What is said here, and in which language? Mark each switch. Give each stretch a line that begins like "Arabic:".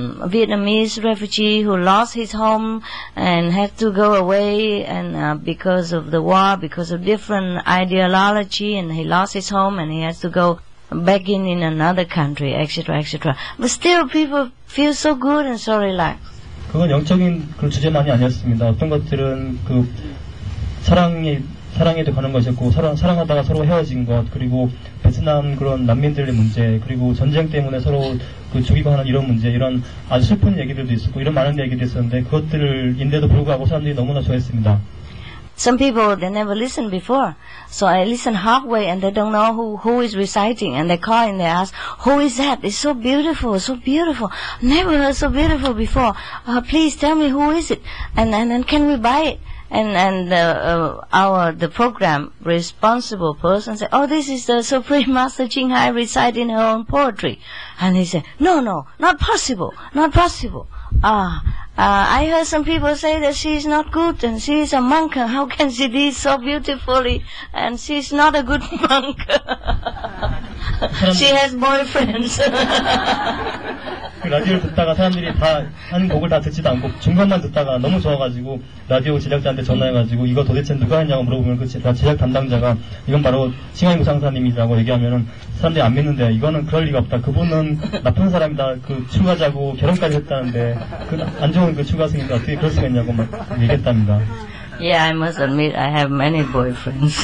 English: Vietnamese refugee who lost his home and had to go away and because of the war, because of different ideology, and he lost his home and he has to go begging in another country, etc., etc. But still, people feel so good and so relaxed.
Korean: 그건 영적인 그 주제만이 아니었습니다. 어떤 것들은 그 사랑이 사랑에도 가는 것이었고 사랑하다가 서로 헤어진 것 그리고 베트남 그런 난민들의 문제 그리고 전쟁 때문에 서로 그 죽이고 하는 이런 문제 이런 아주 슬픈 얘기들도 있었고 이런 많은 얘기도 있었는데 그것들을 인데도 불구하고 사람들이 너무나 좋아했습니다.
English: Some people they never listened before, so I listen halfway and they don't know who is reciting and they call and they ask who is that? It's so beautiful, so beautiful. Never heard so beautiful before. Please tell me who is it and can we buy it? And the program responsible person said, oh, this is the Supreme Master Ching Hai reciting her own poetry. And he said, no, not possible, not possible. I heard some people say that she is not good and she is a monk. How can she be so beautifully? And she is not a good monk. She has boyfriends.
Korean: 그 라디오를 듣다가 사람들이 다 한 곡을 다 듣지도 않고 중간만 듣다가 너무 좋아가지고 라디오 제작자한테 전화해가지고 이거 도대체 누가 했냐고 물어보면 그 제작 담당자가 이건 바로 칭하이 무상사님이라고 얘기하면은 사람들이 안 믿는데 이거는 그럴 리가 없다. 그분은 나쁜 사람이다. 그 추가자고 결혼까지 했다는데 그 안 좋은 그 추가생인데 어떻게 그럴 수가 있냐고 막 얘기했답니다.
English: Yeah, I must admit I have many boyfriends.